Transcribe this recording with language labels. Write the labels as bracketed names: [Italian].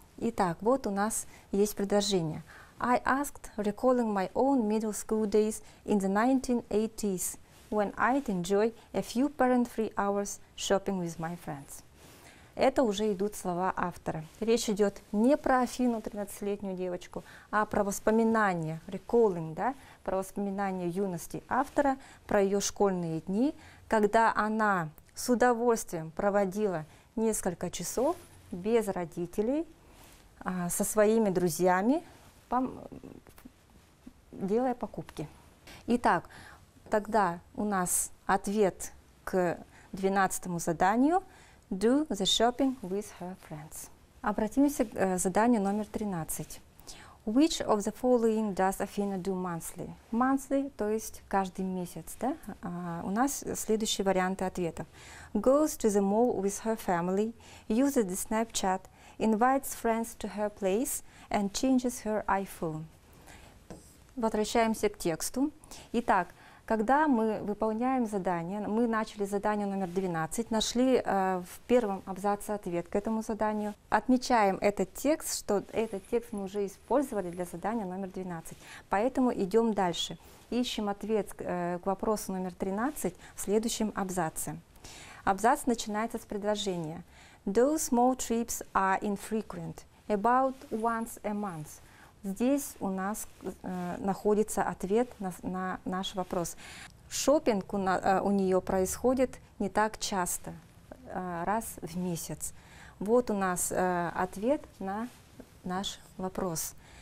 [Russian] Итак, вот у нас есть предложение. [English] I asked, recalling my own middle school days in the 1980s, when I'd enjoy a few parent-free hours shopping with my friends. [Russian] Это уже идут слова автора. Речь идет не про Афину, 13-летнюю девочку, а про воспоминания, recalling, да, про воспоминания юности автора, про ее школьные дни, когда она с удовольствием проводила несколько часов без родителей, со своими друзьями, делая покупки. Итак, тогда у нас ответ к 12-му заданию. [English] Do the shopping with her friends. [Russian] Обратимся к заданию номер 13. [English] Which of the following does Athena do monthly? [Russian] Monthly, то есть каждый месяц, да? У нас следующие варианты ответов. [English] Goes to the mall with her family, uses the Snapchat, invites friends to her place and changes her iPhone. [Russian] Возвращаемся к тексту. Итак, когда мы выполняем задание, мы начали задание номер 12, нашли в первом абзаце ответ к этому заданию, отмечаем этот текст, что этот текст мы уже использовали для задания номер 12. Поэтому идем дальше, ищем ответ к вопросу номер 13 в следующем абзаце. Абзац начинается с предложения. [English] Those small trips are infrequent, about once a month. [Russian] Здесь у нас находится ответ на наш вопрос. Шопинг у нее происходит не так часто, раз в месяц. Вот у нас ответ на наш вопрос.